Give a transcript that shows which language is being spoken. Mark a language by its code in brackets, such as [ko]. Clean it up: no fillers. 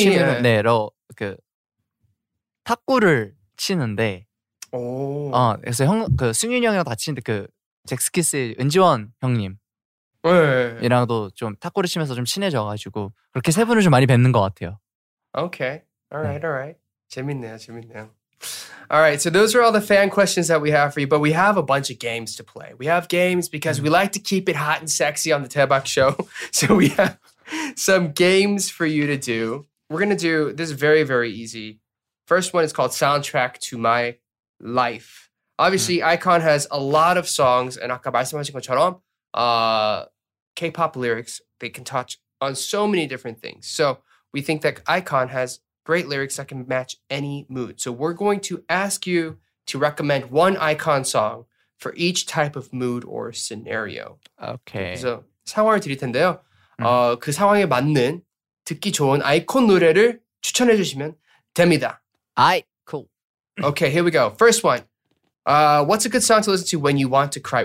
[ko] 취미는 네 로 그 탁구를 치는데 오 그래서 형 그 승윤이 형이랑 다 치는데 그 잭스키스의 은지원 형님 네. 이랑도 좀 탁구를 치면서 좀 친해져가지고 그렇게 세 분을 좀 많이 뵙는 것 같아요. Okay, alright, 네. alright. 재밌네요, 재밌네요. [en] Alright, so those are all the fan questions that we have for you, but we have a bunch of games to play. We have games because we like to keep it hot and sexy on the Taebak Show. So we have some games for you to do. We're gonna do this is very very easy. First one is called Soundtrack to My Life. Obviously, Icon has a lot of songs, and [ko] 아까 말씀하신 것처럼 [en] K-pop lyrics, they can touch on so many different things. So we think that Icon has great lyrics that can match any mood. So we're going to ask you to recommend one Icon song for each type of mood or scenario. Okay. [ko] 그래서 상황을 드릴 텐데요. 그 상황에 맞는 듣기 좋은 아이콘 노래를 추천해 주시면 됩니다. [en] Aight, cool. Okay, here we go. First one. What's a good song to listen to when you want to cry?